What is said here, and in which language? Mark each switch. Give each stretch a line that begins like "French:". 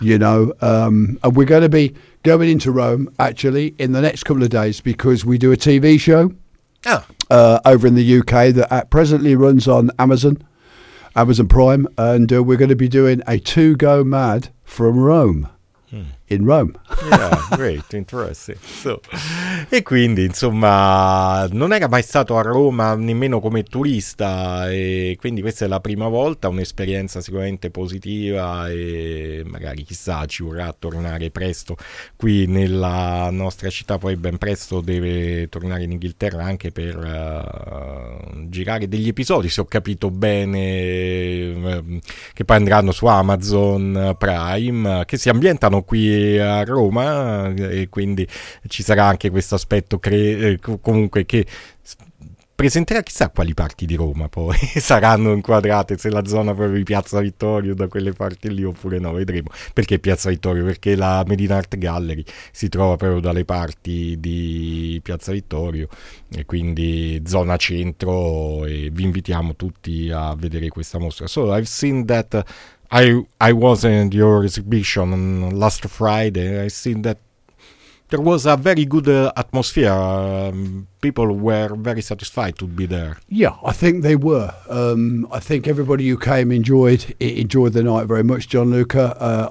English: You know, and we're going to be going into Rome, actually, in the next couple of days, because we do a TV show. Oh. Over in the UK that at presently runs on Amazon Prime, and we're going to be doing a two go mad from Rome. In Rome. Yeah, great, interesting.
Italian: So, e quindi insomma non era mai stato a Roma nemmeno come turista, e quindi questa è la prima volta, un'esperienza sicuramente positiva, e magari chissà, ci vorrà tornare presto qui nella nostra città. Poi ben presto deve tornare in Inghilterra anche per girare degli episodi, se ho capito bene, che poi andranno su Amazon Prime, che si ambientano qui a Roma, e quindi ci sarà anche questo aspetto comunque che presenterà chissà quali parti di Roma poi saranno inquadrate, se la zona proprio di Piazza Vittorio da quelle parti lì oppure no, vedremo. Perché Piazza Vittorio? Perché la Medina Art Gallery si trova proprio dalle parti di Piazza Vittorio, e quindi zona centro, e vi invitiamo tutti a vedere questa mostra.
English: So I've seen that I was in your exhibition last Friday. I see that There was a very good atmosphere. People were very satisfied to be there. Yeah, I think they were. I think everybody who came enjoyed the night very much, Gianluca.